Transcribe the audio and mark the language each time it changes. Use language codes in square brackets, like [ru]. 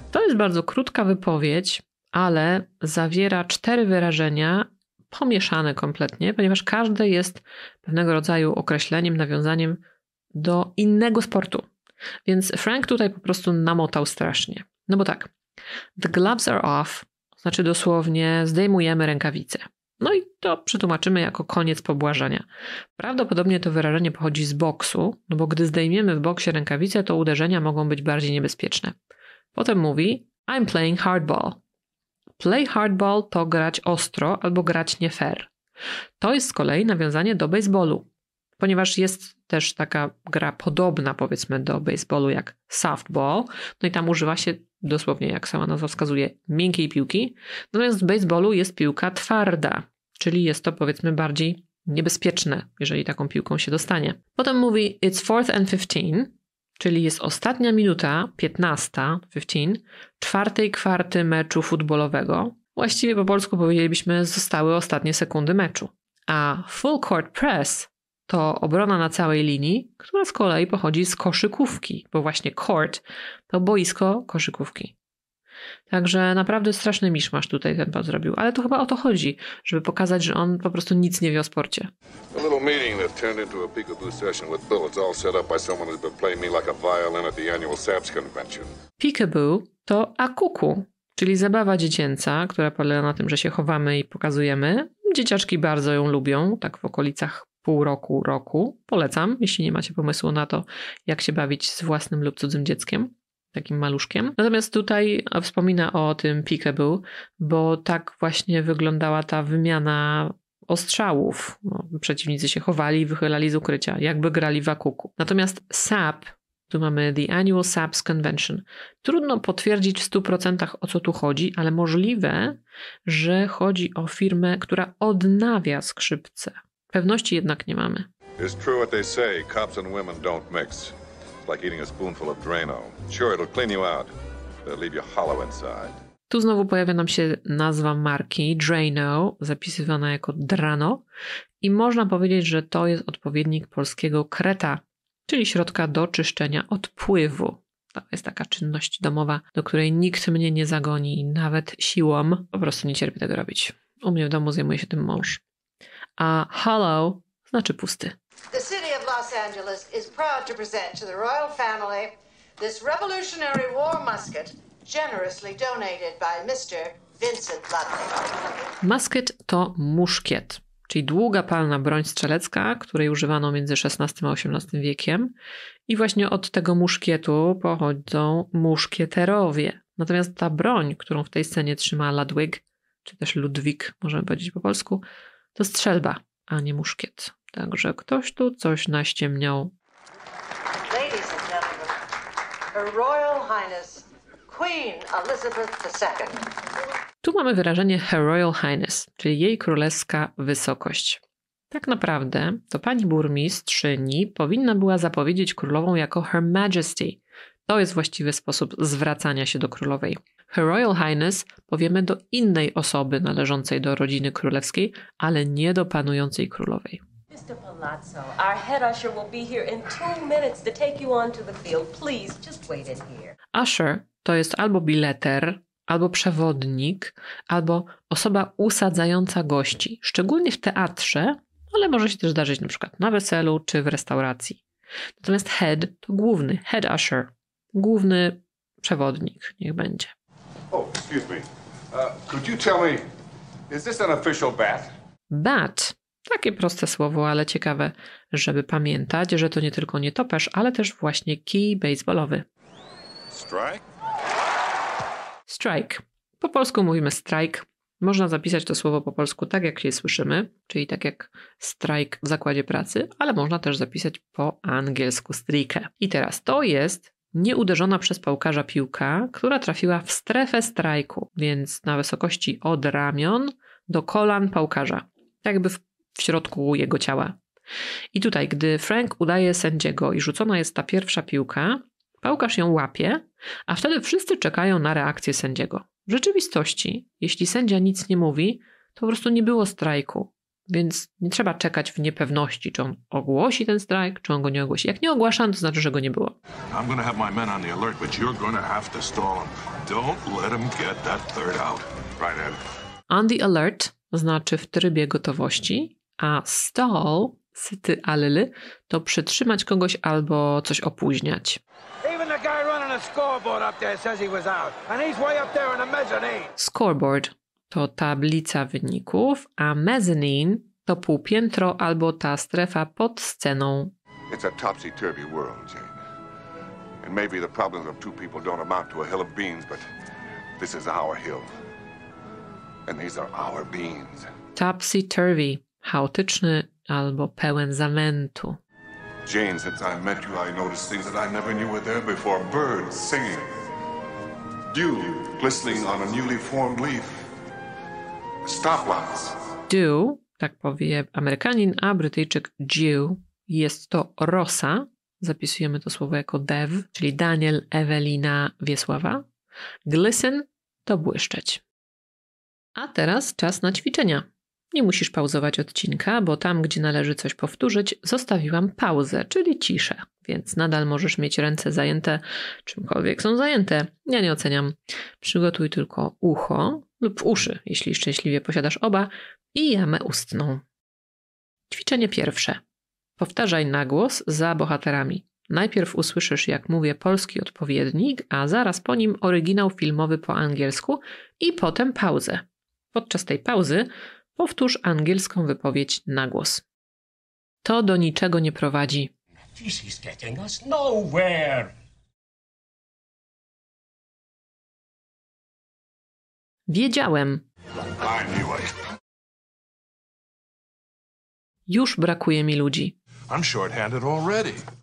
[pl] To jest bardzo krótka wypowiedź, ale zawiera 4 wyrażenia pomieszane kompletnie, ponieważ każde jest pewnego rodzaju określeniem, nawiązaniem do innego sportu. Więc Frank tutaj po prostu namotał strasznie. No bo tak, [en] the gloves are off, [pl] znaczy dosłownie zdejmujemy rękawice. No i to przetłumaczymy jako koniec pobłażania. Prawdopodobnie to wyrażenie pochodzi z boksu, no bo gdy zdejmiemy w boksie rękawice, to uderzenia mogą być bardziej niebezpieczne. Potem mówi, [en] I'm playing hardball. Play hardball [pl] to grać ostro albo grać nie fair. To jest z kolei nawiązanie do baseballu. Ponieważ jest też taka gra podobna powiedzmy do baseballu jak softball, no i tam używa się dosłownie, jak sama nazwa wskazuje, miękkiej piłki. Natomiast w baseballu jest piłka twarda, czyli jest to powiedzmy bardziej niebezpieczne, jeżeli taką piłką się dostanie. Potem mówi [en] it's 4th and 15, [pl] czyli jest ostatnia minuta, 15, 15, czwartej kwarty meczu futbolowego. Właściwie po polsku powiedzielibyśmy zostały ostatnie sekundy meczu. [en] A full court press [pl] to obrona na całej linii, która z kolei pochodzi z koszykówki, bo właśnie court to boisko koszykówki. Także naprawdę straszny miszmasz tutaj ten pan zrobił, ale to chyba o to chodzi, żeby pokazać, że on po prostu nic nie wie o sporcie. [en] A little meeting that turned into a peekaboo session with bullets all set up by someone who's been playing me like a violin at the annual SAPS convention. [pl] Peekaboo to akuku, czyli zabawa dziecięca, która polega na tym, że się chowamy i pokazujemy. Dzieciaczki bardzo ją lubią, tak w okolicach pół roku, roku. Polecam, jeśli nie macie pomysłu na to, jak się bawić z własnym lub cudzym dzieckiem, takim maluszkiem. Natomiast tutaj wspomina o tym peekaboo, bo tak właśnie wyglądała ta wymiana ostrzałów. No, przeciwnicy się chowali i wychylali z ukrycia, jakby grali w akuku. Natomiast SAP, tu mamy The Annual SAPS Convention. Trudno potwierdzić w 100% o co tu chodzi, ale możliwe, że chodzi o firmę, która odnawia skrzypce. Pewności jednak nie mamy. [en] It's true what they say, cops and women don't mix. It's like eating a spoonful of Drano. Sure, it'll clean you out, but leave you hollow inside. [pl] Tu znowu pojawia nam się nazwa marki, Drano, zapisywana jako Drano. i można powiedzieć, że to jest odpowiednik polskiego kreta, czyli środka do czyszczenia odpływu. To jest taka czynność domowa, do której nikt mnie nie zagoni, nawet siłą. Po prostu nie cierpię tego robić. U mnie w domu zajmuje się tym mąż. A hollow znaczy pusty. [en] The city of Los Angeles is proud to present to the royal family this revolutionary war musket, generously donated by Mr. Vincent Ludwig. [pl] Musket to muszkiet, czyli długa palna broń strzelecka, której używano między XVI a XVIII wiekiem. I właśnie od tego muszkietu pochodzą muszkieterowie. Natomiast ta broń, którą w tej scenie trzyma Ludwig, czy też Ludwik, możemy powiedzieć po polsku, to strzelba, a nie muszkiet. Także ktoś tu coś naściemniał. [en] Ladies and gentlemen, Her Royal Highness Queen Elizabeth II. [pl] Tu mamy wyrażenie [en] Her Royal Highness, [pl] czyli jej królewska wysokość. Tak naprawdę to pani burmistrzyni powinna była zapowiedzieć królową jako [en] Her Majesty. [pl] To jest właściwy sposób zwracania się do królowej. [en] Her Royal Highness [pl] powiemy do innej osoby należącej do rodziny królewskiej, ale nie do panującej królowej. [en] Mr. Palazzo, our head usher will be here in 2 minutes to take you onto the field. Please, just wait in here. [pl] Usher to jest albo bileter, albo przewodnik, albo osoba usadzająca gości, szczególnie w teatrze, ale może się też zdarzyć na przykład na weselu czy w restauracji. Natomiast head to główny, head usher, główny przewodnik, niech będzie. [en] Oh, excuse me. Could you tell me, is this an official bat? Bat. [pl] Takie proste słowo, ale ciekawe, żeby pamiętać, że to nie tylko nietoperz, ale też właśnie kij baseballowy. Strike? Strike. Po polsku mówimy strike. Można zapisać to słowo po polsku tak, jak się słyszymy, czyli tak jak strike w zakładzie pracy, ale można też zapisać po angielsku strike. I teraz to jest nieuderzona przez pałkarza piłka, która trafiła w strefę strajku, więc na wysokości od ramion do kolan pałkarza. Jakby w środku jego ciała. I tutaj, gdy Frank udaje sędziego i rzucona jest ta pierwsza piłka, pałkarz ją łapie, a wtedy wszyscy czekają na reakcję sędziego. W rzeczywistości, jeśli sędzia nic nie mówi, to po prostu nie było strajku, więc nie trzeba czekać w niepewności, czy on ogłosi ten strajk, czy on go nie ogłosi. Jak nie ogłasza, to znaczy, że go nie było. [en] I'm gonna have my men on the alert, but you're gonna have to stall them. Don't let them get that third out. Right, Ed. On the alert [pl] znaczy w trybie gotowości, a stall, syty alily, to przytrzymać kogoś albo coś opóźniać. Scoreboard to tablica wyników, a mezzanine to półpiętro albo ta strefa pod sceną. [en] It's a topsy-turvy world, Jane. And maybe the problems of two people don't amount to a hill of beans, but this is our hill. And these are our beans. [pl] Topsy-turvy, chaotyczny albo pełen zamętu. [en] Jane, since I met you, I noticed things that I never knew were there before. Birds singing. Dew glistening on a newly formed leaf. Stoplights. [pl] Dew, tak powie Amerykanin, a Brytyjczyk dew, jest to rosa. Zapisujemy to słowo jako dew, czyli Daniel, Ewelina, Wiesława. Glisten to błyszczeć. A teraz czas na ćwiczenia. Nie musisz pauzować odcinka, bo tam, gdzie należy coś powtórzyć, zostawiłam pauzę, czyli ciszę. Więc nadal możesz mieć ręce zajęte, czymkolwiek są zajęte. Ja nie oceniam. Przygotuj tylko ucho lub uszy, jeśli szczęśliwie posiadasz oba, i jamę ustną. Ćwiczenie pierwsze. Powtarzaj na głos za bohaterami. Najpierw usłyszysz, jak mówię, polski odpowiednik, a zaraz po nim oryginał filmowy po angielsku i potem pauzę. Podczas tej pauzy powtórz angielską wypowiedź na głos. To do niczego nie prowadzi. [en] This is getting us nowhere. [pl] Wiedziałem. Już brakuje mi ludzi. [en] I'm short-handed already.